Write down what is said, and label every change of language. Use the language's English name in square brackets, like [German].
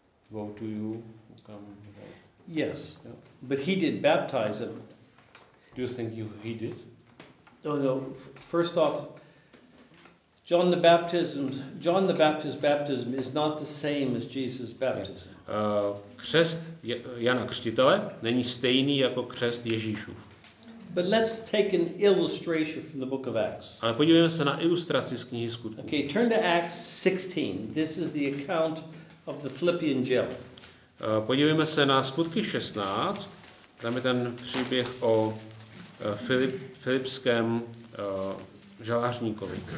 [English] Woe to you who come. Yes, but he did baptize them. Do you think he did? No. First off, John the Baptist's baptism is not the same as Jesus' baptism. [Czech] Křest Jana Křtitele není stejný jako křest Ježíšův. [English] But let's take an illustration from the book of Acts. [Czech] Ale podívejme se na ilustraci z knihy skutků. [English] Okay, turn to Acts 16. This is the account of the Philippian jail. [Czech] Podívejme se na skutky 16. Tam je ten příběh o filipském žalářníkovi.